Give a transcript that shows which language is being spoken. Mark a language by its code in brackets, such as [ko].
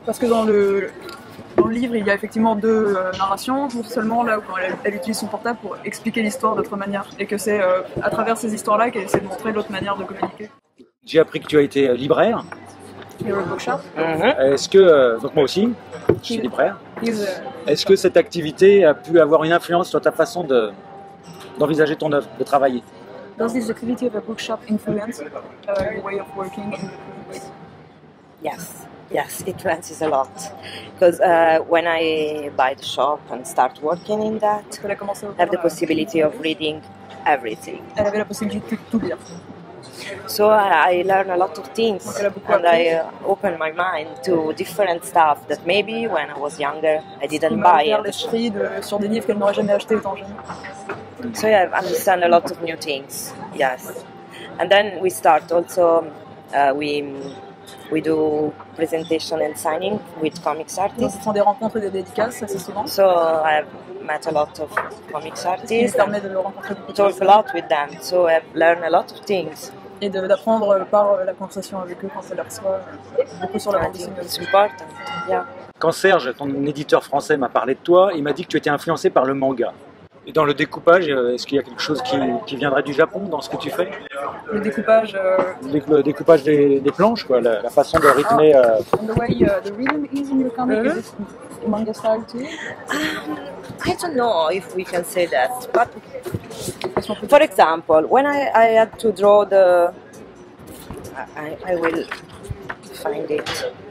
[fr] Parce que dans le livre, il y a effectivement deux narrations, seulement là où elle utilise son portable pour expliquer l'histoire d'autre manière, et que c'est à travers ces histoires-là qu'elle essaie de montrer l'autre manière de communiquer. J'ai appris que tu as été libraire. Mm-hmm. Est-ce que, donc moi aussi, je suis libraire, est-ce que cette activité a pu avoir une influence sur ta façon d'envisager ton œuvre, de travailler? [en] Does this activity of a bookshop influence your way of working? Yes. Yes, it influences a lot. Because when I buy the shop and start working in that, I have the possibility of reading everything. [fr] Elle avait la possibilité de tout lire. [en] So I learn a lot of things and I open my mind to different stuff that maybe when I was younger I didn't buy at the shop. [fr] Sur des livres qu'elle n'aurait jamais acheté étant jeune. [en] So yeah, I understand a lot of new things. Yes. And then we start also we do presentation and signing with comics artists. [fr] Donc, ce sont des rencontres et des dédicaces, assez souvent. [en] So I've met a lot of comics artists. [fr] Ça permet de rencontrer beaucoup. [en] Talk a lot with them, so I've learned a lot of things. [fr] Et d'apprendre par la conversation avec eux quand ça leur soit beaucoup sur la bande dessinée. Yeah. Quand Serge, ton éditeur français, m'a parlé de toi, il m'a dit que tu étais influencé par le manga. Et dans le découpage, est-ce qu'il y a quelque chose qui viendrait du Japon dans ce que tu fais? Le découpage. Le découpage des planches, quoi, la façon de rythmer. [en] And the way the rhythm is in your comic, is it manga style too? I don't know if we can say that, but for example, when I had to draw the, I will find it.